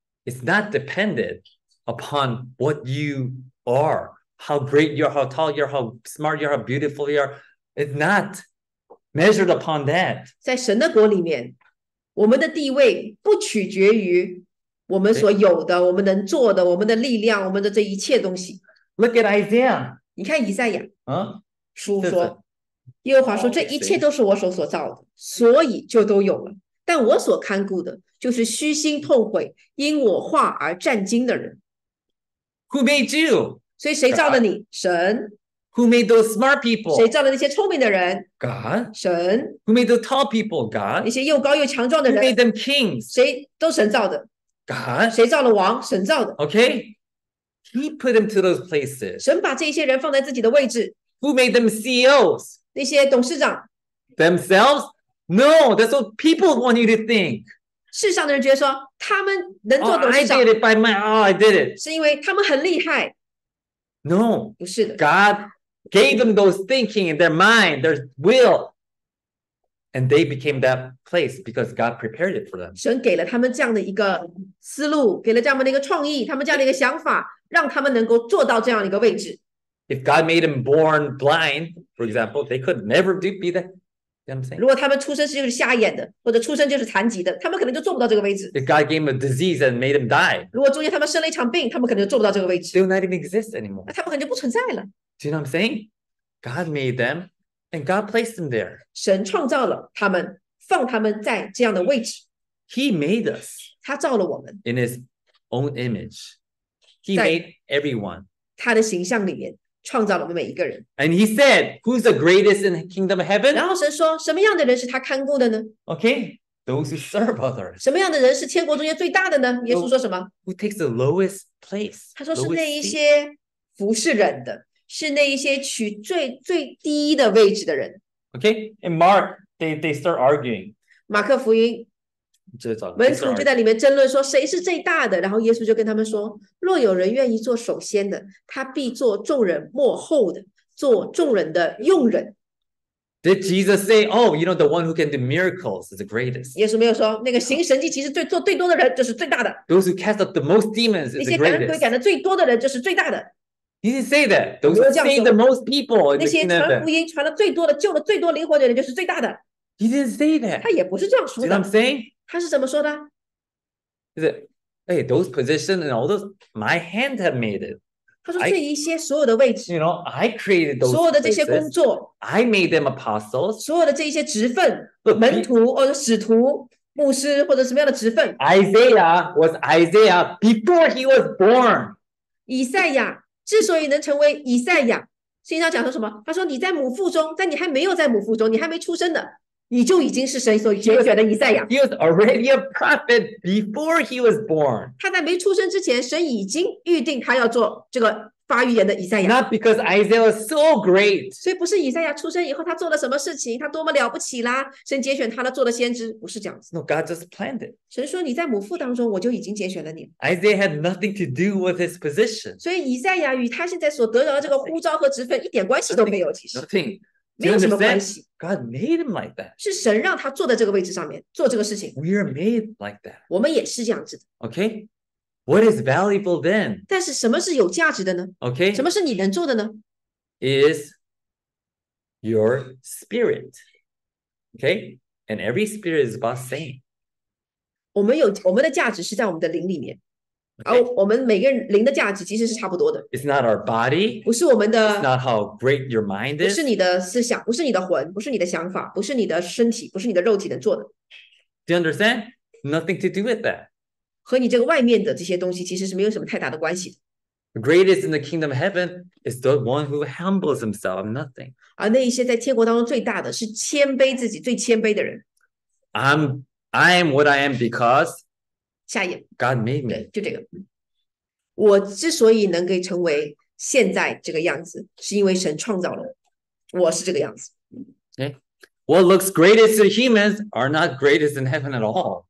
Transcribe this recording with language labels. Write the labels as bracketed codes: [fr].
[en] it's not dependent upon what you are, how great you are, how tall you are, how smart you are, how beautiful you are. It's not measured upon that. [zh] 在神的国里面，我们的地位不取决于。我们所有的，我们能做的，我们的力量，我们的这一切东西。 [en] Look at Isaiah. [zh] 你看以赛亚。嗯。书说，耶和华说，这一切都是我手所造的，所以就都有了。但我所看顾的，就是虚心痛悔因我话而战惊的人。 [en] Who made you? [zh] 所以谁造的你？ [en] God. [zh] 神。 [en] Who made those smart people? [zh] 谁造的那些聪明的人？ [en] God. [zh] 神。 [en] Who made those tall people? God. [zh] 那些又高又强壮的人？ [en] Who made them kings? [zh] 谁都神造的。 [en] God, [zh] 谁造了王？神造的。 [en] Okay, He put them to those places. [zh] 神把这些人放在自己的位置。 [en] Who made them CEOs? [zh] 那些董事长。 [en] Themselves? No, that's what people want you to think. [zh] 世上的人觉得说他们能做董事长。 [en] Oh, I did it by my, oh, I did it. [zh] 是因为他们很厉害。 [en] No. [zh] 不是的。 [en] God gave them those thinking in their mind, their will. And they became that place because God prepared it for them. [zh] 神给了他们这样的一个思路，给了这样的一个创意，他们这样的一个想法，让他们能够做到这样的一个位置。 [en] If God made them born blind, for example, they could never do, be that. You know [zh] 如果他们出生是就是瞎眼的，或者出生就是残疾的，他们可能就做不到这个位置。 [en] If God gave them a disease and made them die, [zh] 如果中间他们生了一场病，他们可能就做不到这个位置。 [en] They'll not even exist anymore. [zh] 他们可能就不存在了。 [en] Do you know what I'm saying? God made them, and God placed them there. [zh] 神创造了他们，放他们在这样的位置。 [en] He made us. [zh] 他造了我们。 [en] In His own image, He made everyone. [zh] 他的形象里面。创造了我们每一个人。 [en] And he said, who's the greatest in the kingdom of heaven? [zh] 然后神说，什么样的人是他看顾的呢？ [en] Okay, those who serve others. [zh] 什么样的人是天国中间最大的呢？耶稣说什么？ [en] Who takes the lowest place? [zh] 他说是那一些服侍人的，是那一些取最最低的位置的人。 [en] Okay, and Mark, they start arguing. [zh] 马克福音。门徒就在里面争论说谁是最大的，然后耶稣就跟他们说，若有人愿意做首先的，他必做众人末后的，做众人的用人。 [en] Did Jesus say, oh, you know, the one who can do miracles is the greatest? [zh] 耶稣没有说那个行神迹其实最做最多的人就是最大的。 [en] Those who cast out the most demons is the greatest. [zh] 那些赶鬼赶的最多的人就是最大的。 [en] He didn't say that. Those who saved the most people in the kingdom. [zh] 那些传福音传了最多的，救了最多灵魂的人就是最大的。 [en] He didn't say that. [zh] 他也不是这样说的。 [en] See what I'm saying? [zh] 他是怎么说的？ [en] Is it, hey, those positions and all those, my hand have made it. [zh] 他说这一些所有的位置， [en] you know, I created those [zh] 所有的这些工作， [en] I made them apostles. [zh] 所有的这一些职分， [en] Look, [zh] 门徒或者使徒、牧师或者什么样的职分。 [en] Isaiah was Isaiah before he was born. [zh] 以赛亚之所以能成为以赛亚，圣经上讲说什么？他说你在母腹中，但你还没有在母腹中，你还没出生的。你就已经是神所拣选的以赛亚。 [en] He was already a prophet before he was born. [zh] 他在没出生之前，神已经预定他要做这个发预言的以赛亚。 [en] Not because Isaiah was so great. [zh] 所以不是以赛亚出生以后他做了什么事情，他多么了不起啦，神拣选他了做了先知，不是这样子。 [en] No, God just planned it. [zh] 神说你在母腹当中我就已经拣选了你。 [en] Isaiah had nothing to do with his position. [zh] 所以以赛亚与他现在所得到的这个呼召和职分一点关系都没有，其实。 [en] Nothing. God made him like that. [zh] 是神让他坐在这个位置上面做这个事情。 [en] We are made like that. [zh] 我们也是这样子的。 [en] Okay, what is valuable then? [zh] 但是什么是有价值的呢？ [en] Okay, [zh] 什么是你能做的呢？ [en] Is your spirit. Okay, and every spirit is about same. [zh] 我们的价值是在我们的灵里面。 [en] Okay. [zh] 而我们每个人灵的价值其实是差不多的。 [en] It's not our body. [zh] 不是我们的。 [en] It's not how great your mind is. [zh] 不是你的思想，不是你的魂，不是你的想法，不是你的身体，不是你的肉体能做的。 [en] Do you understand? Nothing to do with that. [zh] 和你这个外面的这些东西其实是没有什么太大的关系的。 [en] The greatest in the kingdom of heaven is the one who humbles himself of nothing. [zh] 而那一些在天国当中最大的是谦卑自己，最谦卑的人。 [en] I am what I am because. [zh] 下一页 [en] God made me. [zh] 对，就这个。我之所以能够成为现在这个样子，是因为神创造了我。我是这个样子。 [en] Okay. What looks greatest to humans are not greatest in heaven at all.